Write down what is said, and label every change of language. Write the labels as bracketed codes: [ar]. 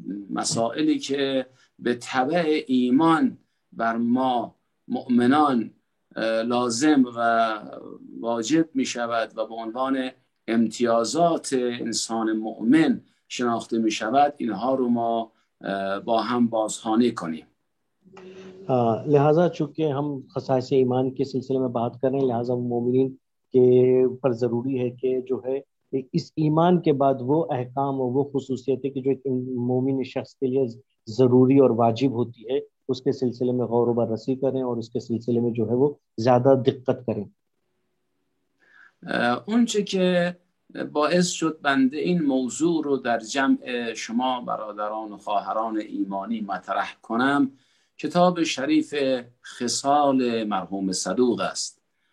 [fa] مسائلی که به تبع ایمان بر ما مؤمنان لازم و واجب می شود و به عنوان امتیازات انسان مؤمن شناخته می شود اینها رو ما با هم بازخوانی کنیم. [hi] लिहाजा चूंकि हम खसाइस ईमान के सिलसिले में बात कर रहे हैं, लिहाजा मोमिनीन के पर ज़रूरी है कि जो है इस ईमान के बाद वो अहकाम और वो खसूसियतें कि जो एक मोमिन शख्स के लिए ज़रूरी और वाजिब होती है उसके सिलसिले में गौर व बर्रसी करें और उसके सिलसिले में जो है वो ज़्यादा दिक्कत करें। [fa] اونچه که باعث شد بنده این موضوع رو در جمع شما برادران و خواهران ایمانی مطرح کنم کتاب شریف خصال مرحوم صدوق است.